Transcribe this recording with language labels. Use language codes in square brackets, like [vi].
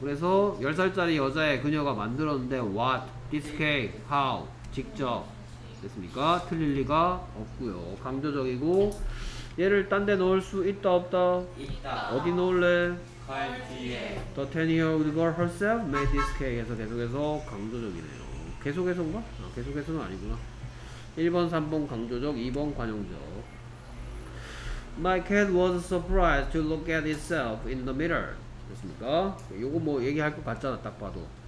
[ko] 그래서 10살짜리 여자의 그녀가 만들었는데 What? [en] This cake? How? [ko] 직접. 됐습니까? 틀릴 리가 없고요. 강조적이고 얘를 딴 데 넣을 수 있다 없다? 있다. 어디 넣을래? 칼 뒤에. [en] The 10-year-old girl herself made this cake. [ko] 해서 계속해서 강조적이네요. 계속해서인가? 아, 계속해서는 아니구나. 1번, 3번 강조적, 2번 관용적. [en] My cat was surprised to look at itself in the mirror. [ko] 됐습니까? 요거 뭐 얘기할 것 같잖아, 딱 봐도.